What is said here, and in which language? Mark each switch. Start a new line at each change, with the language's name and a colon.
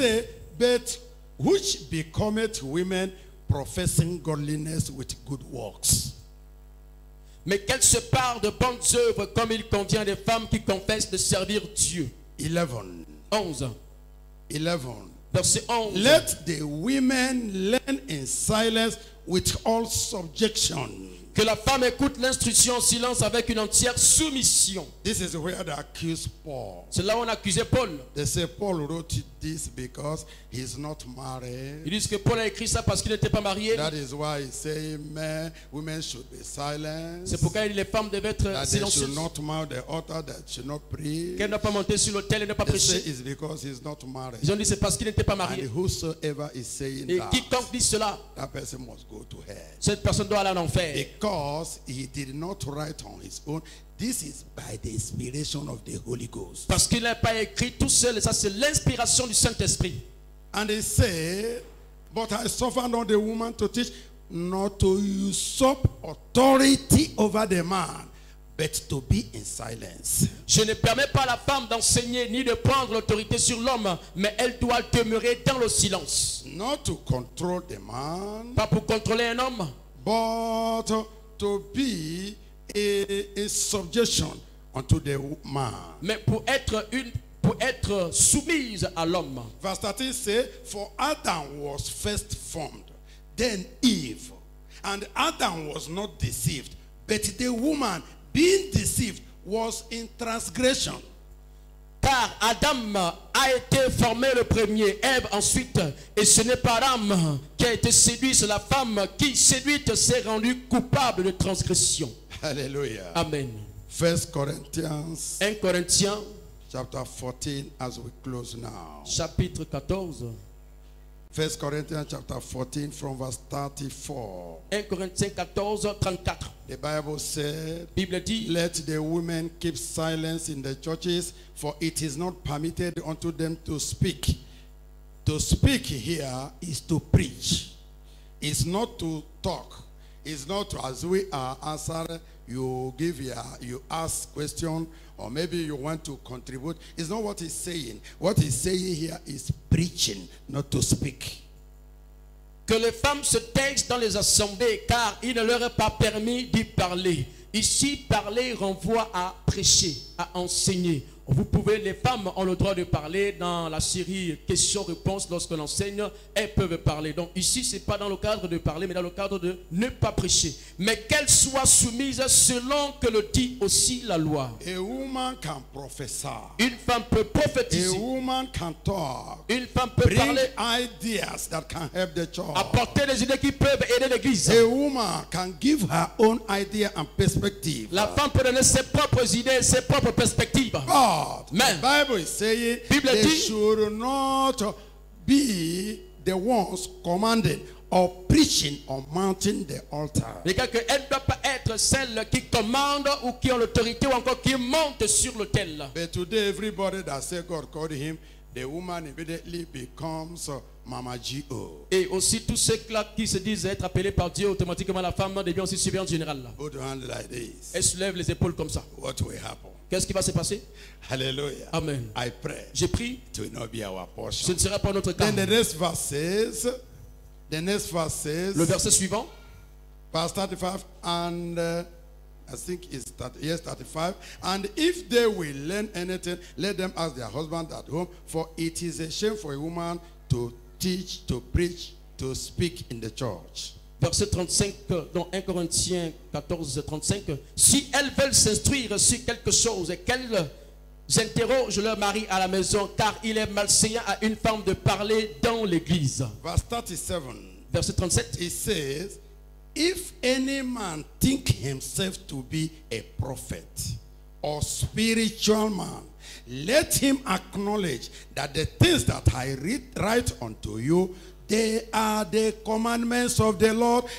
English: It says, but which becometh women professing godliness with good works?
French: Mais qu'elles se parent de bonnes œuvres comme il convient des femmes qui confessent de servir Dieu.
English: 11.
French: Verset 11.
English: Let the women learn in silence with all subjection.
French: Que la femme écoute l'instruction en silence avec une entière soumission.
English: This is where they accuse Paul.
French: C'est là où on accusait Paul.
English: They say Paul wrote this because he's not married.
French: Ils disent que Paul a écrit ça parce qu'il n'était pas marié.
English: That is why he say men, women should be silent.
French: C'est pourquoi il dit les femmes devaient être
English: that
French: silencieuses.
English: They should not mount the altar, that should not preach.
French: Qu'elle n'a pas monté sur l'autel et ne pas prêcher.
English: They say it's because he's not married.
French: Ils ont dit c'est parce qu'il n'était pas marié.
English: And whosoever is saying
French: et quiconque
English: that,
French: dit cela,
English: that person must go to hell.
French: Cette personne doit aller en enfer.
English: Because he did not write on his own. This is by the inspiration of the Holy Ghost.
French: Parce qu'il n'a pas écrit tout seul, ça c'est l'inspiration du Saint-Esprit.
English: And he said, but I suffer not the woman to teach, not to usurp authority over the man, but to be in silence.
French: Je ne permets pas à la femme d'enseigner ni de prendre l'autorité sur l'homme, mais elle doit demeurer dans le silence.
English: Not to control the man.
French: Pas pour contrôler un homme.
English: But to be a subjection unto the man.
French: Mais pour être soumise à l'homme.
English: Verse 13 says, for Adam was first formed, then Eve, and Adam was not deceived, but the woman, being deceived, was in transgression.
French: Car Adam a été formé le premier, Ève ensuite, et ce n'est pas Adam qui a été séduit, c'est la femme qui séduite s'est rendue coupable de transgression.
English: Hallelujah.
French: Amen.
English: 1 Corinthians chapter 14 as we close now.
French: Chapitre 14.
English: 1 Corinthians chapter 14 from verse 34. 1 Corinthians 14, 34. The Bible said,
French: Bible dit,
English: let the women keep silence in the churches, for it is not permitted unto them to speak. To speak here is to preach. It's not to talk. It's not as we are answering, you ask question, or maybe you want to contribute. It's not what he's saying. What he's saying here is preaching, not to speak.
French: Que les femmes se taisent dans les assemblées, car il ne leur est pas permis d'y parler. Ici, parler renvoie à prêcher, à enseigner. Vous pouvez, les femmes ont le droit de parler dans la série questions-réponses lorsque l'enseigne, elles peuvent parler. Donc ici, ce n'est pas dans le cadre de parler, mais dans le cadre de ne pas prêcher. Mais qu'elles soient soumises selon que le dit aussi la loi.
English: A woman can prophesy.
French: Une femme peut prophétiser.
English: A woman can talk.
French: Une femme peut
English: bring
French: parler.
English: Ideas that can help the church.
French: Apporter des idées qui peuvent aider l'église.
English: A woman can give her own idea and perspective.
French: La femme peut donner ses propres idées, ses propres perspectives.
English: Oh. Man. The Bible is saying
French: Bible
English: they
French: dit,
English: should not be the ones commanding or preaching or mounting the altar.
French: Elle ne doit pas être celle qui commande ou qui a l'autorité ou encore qui monte sur l'autel.
English: But today everybody that say God called him, the woman immediately becomes Mama G.O.
French: Et aussi tous ceux-là qui se disent être appelés par Dieu, automatiquement la femme devient aussi surveillante générale.
English: Put your hand like this.
French: Elle soulève les épaules comme ça.
English: What will happen?
French: Qu'est-ce qui va se passer?
English: Hallelujah.
French: Amen.
English: I pray.
French: J'ai prié.
English: It will not be our portion.
French: Ce ne sera pas notre cas.
English: Then the next verse says, the next verse says,
French: le verset suivant.
English: Verse 35 and I think it's 30, yes, 35. And if they will learn anything, let them ask their husband at home, for it is a shame for a woman to teach, to preach, to speak in the church.
French: Verset 35 dans 1 Corinthiens 14, 35. Si elles veulent s'instruire sur quelque chose, qu'elles interrogent leur mari à la maison, car il est malséant à une femme de parler dans l'église.
English: Verse 37.
French: Verset 37.
English: It says, if any man think himself to be a prophet or spiritual man, let him acknowledge that the things that I write unto you, they are the commandments of the Lord.